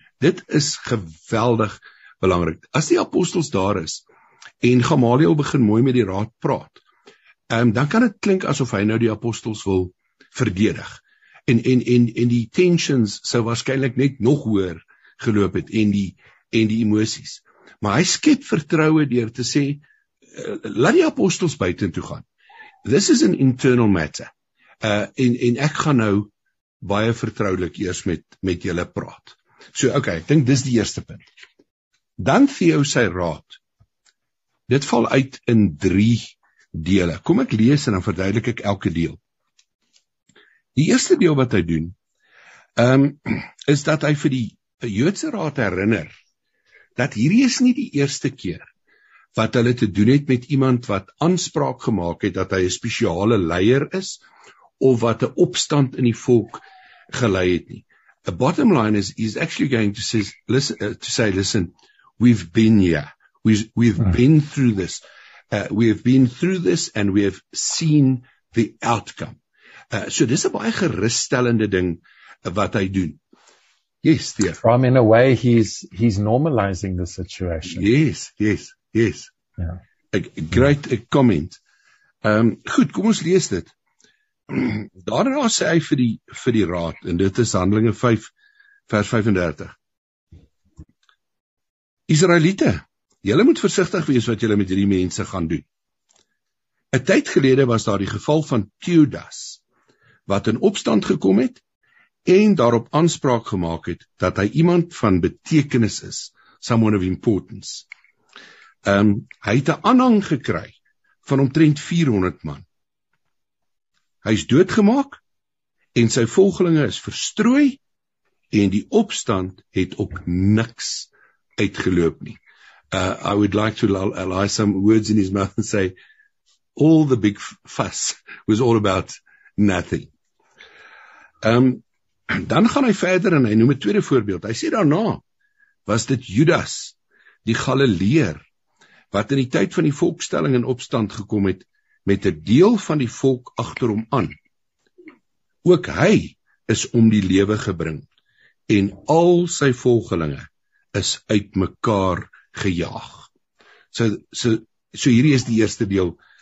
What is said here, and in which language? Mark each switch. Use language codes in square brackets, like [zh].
[af] Dit is geweldig belangrik. As die apostels daar is, en Gamaliel begin mooi met die raad praat, dan kan dit klink asof hy nou die apostels wil verdedig. En die tensions sou waarskynlik net nog hoër geloop het, en die emosies. Maar hy skep vertroue deur te sê, laat die apostels buitentoe gaan. [en] This is an internal matter. [af] En ek gaan nou baie vertroulik eers met julle praat. So, okay, ek dink dis die eerste punt. Dan Theo sy raad. Dit val uit in drie dele. Kom ek lees en dan verduidelik ek elke deel. Die eerste deel wat hy doen, is dat hy vir die Joodse raad herinner, dat hierdie is nie die eerste keer wat hulle te doen het met iemand wat aanspraak gemaak het, dat hy 'n spesiale leier is, of wat 'n opstand in die volk gelei het nie. [en] The bottom line is, he's actually going to say, listen, we've been here, we've been through this, we've been through this, and we've seen the outcome. [af] So dis 'n baie geruststellende ding wat hy doen. [en] Yes, Theo. From in a way he's normalizing the situation. Yes. Yeah. A great comment. [af] Goed, kom ons lees dit. Daarna sê hy vir die raad, en dit is Handelinge 5 vers 35. Israeliete, julle moet versigtig wees wat julle met hierdie mense gaan doen. 'n Tyd gelede was daar die geval van Theudas, wat in opstand gekom het en daarop aanspraak gemaak het dat hy iemand van betekenis is, [en] someone of importance. [af] Hy het 'n aanhang gekry van omtrent 400 man. Hy is doodgemaak en sy volgelinge is verstrooi en die opstand het op niks uitgeloop nie. [en] I would like to lay some words in his mouth and say, all the big fuss was all about nothing. [af] Dan gaan hy verder en hy noem 'n tweede voorbeeld. Hy sê daarna was dit Judas, die Galileer, wat in die tyd van die volkstelling in opstand gekom het met 'n deel van die volk agter hom aan. Ook hy is om die lewe gebring en al sy volgelinge is uitmekaar gejaag. So hierdie is die eerste deel